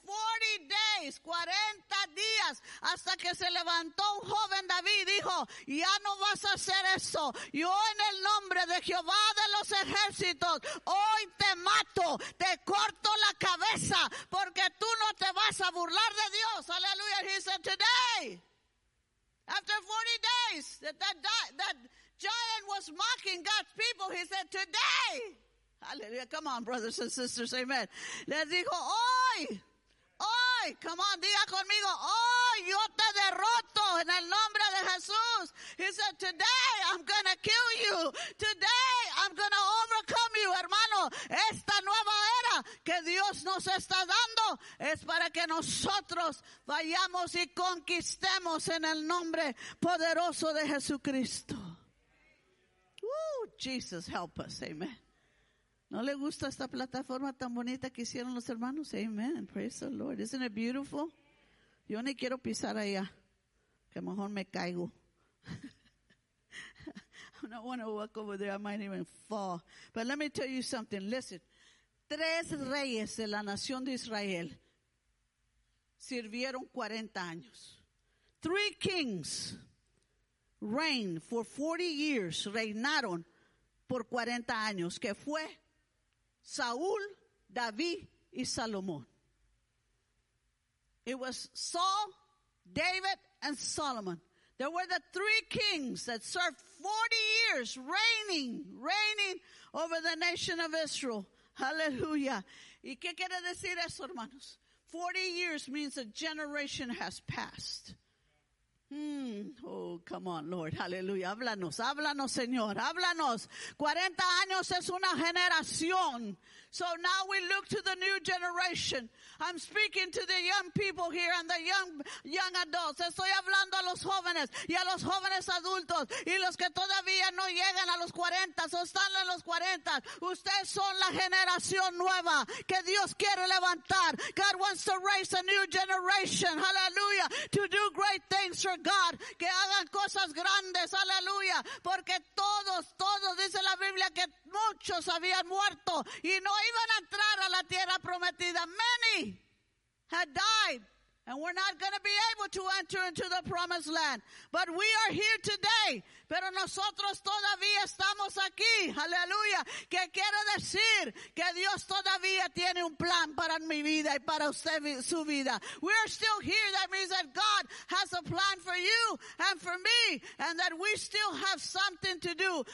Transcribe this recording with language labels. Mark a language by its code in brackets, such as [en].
[en] 40 days, [es] 40 días, hasta que se levantó un joven David y dijo, ya no vas a hacer eso. Yo en el nombre de Jehová de los ejércitos, hoy te mato, te corto la cabeza, porque tú no te vas a burlar de Dios. Aleluya. [en] He said, today, after 40 days, that giant was mocking God's people. He said, today. Hallelujah. Come on, brothers and sisters. [es] Amen. Les dijo, hoy. Hoy. [en] Come on, [es] diga conmigo. Hoy yo te derroto en el nombre de Jesús. [en] He said, today I'm going to kill you. Today I'm going to overcome you, hermano. [es] Esta nueva era que Dios nos está dando es para que nosotros vayamos y conquistemos en el nombre poderoso de Jesucristo. [en] Jesus, help us. [es] Amen. ¿No le gusta esta plataforma tan bonita que hicieron los hermanos? [en] Amen. Praise the Lord. Isn't it beautiful? [es] Yo ni quiero pisar allá. Que mejor me caigo. [en] I don't want to walk over there. I might even fall. But let me tell you something. Listen. [es] Tres reyes de la nación de Israel sirvieron 40 años. [en] Three kings reigned for 40 years, [es] reinaron por 40 años, que fue Saúl, David y Salomón. [en] It was Saul, David, and Solomon. There were the three kings that served 40 years reigning over the nation of Israel. Hallelujah. [es] ¿Y qué quiere decir eso, hermanos? [en] 40 years means a generation has passed. Oh, come on, Lord. Hallelujah. [es] Háblanos, Señor. Háblanos. 40 años es una generación. [en] So now we look to the new generation. I'm speaking to the young people here and the young adults. [es] Estoy hablando a los jóvenes y a los jóvenes adultos y los que todavía no llegan a los 40 o están en los 40. Ustedes son la generación nueva que Dios quiere levantar. [en] God wants to raise a new generation. Hallelujah. To do great things for God. [es] Que hagan cosas grandes. Hallelujah. Porque todos, dice la Biblia, que muchos habían muerto y no iban a entrar a la tierra prometida. [en] Many had died and were not going to be able to enter into the promised land. But we are here today. [es] Pero nosotros todavía estamos aquí. Aleluya. ¿Qué quiere decir? Que Dios todavía tiene un plan para mi vida y para usted su vida. [en] We are still here. That means that God has a plan for you and for me. And that we still have something to do.